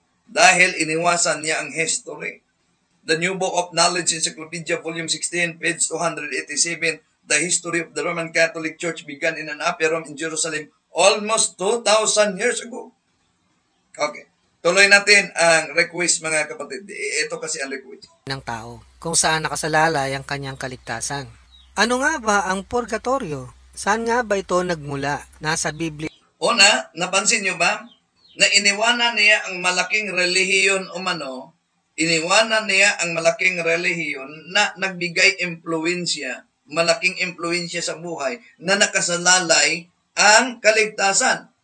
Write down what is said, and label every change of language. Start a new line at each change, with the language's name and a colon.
Filipino: Dahil iniwasan niya ang history.
English: The New Book of Knowledge Encyclopedia, Volume 16, page 287, The History of the Roman Catholic Church began in an upper room in Jerusalem almost 2,000 years ago. Okay.
Filipino: Tuloy natin ang request, mga kapatid. Ito kasi ang request. ...ng tao kung saan nakasalalay ang kanyang kaligtasan. Ano nga ba ang purgatorio? Saan nga ba ito nagmula? Nasa Biblia. Una, napansin nyo ba na iniwanan niya ang malaking relihiyon umano, na nagbigay impluensya, malaking impluensya sa buhay, na nakasalalay ang kaligtasan.